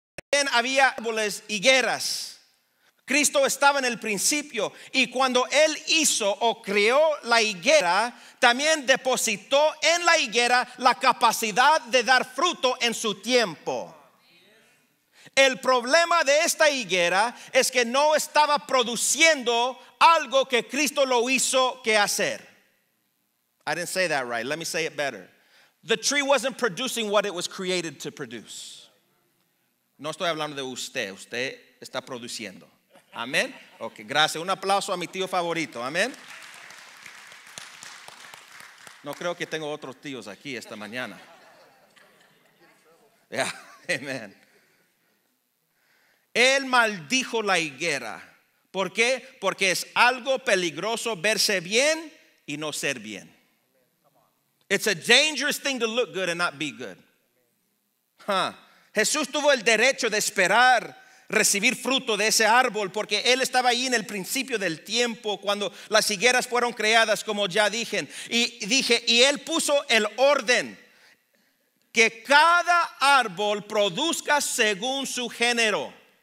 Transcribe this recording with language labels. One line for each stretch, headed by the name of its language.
Spanish: Edén había árboles, higueras. Cristo estaba en el principio, y cuando Él hizo o creó la higuera, también depositó en la higuera la capacidad de dar fruto en su tiempo. El problema de esta higuera es que no estaba produciendo algo que Cristo lo hizo que hacer.
English: I didn't say that right. Let me say it better. The tree wasn't producing what it was created to produce.
Spanish: No estoy hablando de usted. Usted está produciendo. Amén. Ok, gracias. Un aplauso a mi tío favorito. Amén. No creo que tengo otros tíos aquí esta mañana. Yeah. Amén. Él maldijo la higuera. ¿Por qué? Porque es algo peligroso verse bien y no ser bien.
English: It's a dangerous thing to look good and not be good. Huh.
Spanish: Jesús tuvo el derecho de esperar recibir fruto de ese árbol porque él estaba ahí en el principio del tiempo cuando las higueras fueron creadas, como ya dije. Y él puso el orden que cada árbol produzca según su género.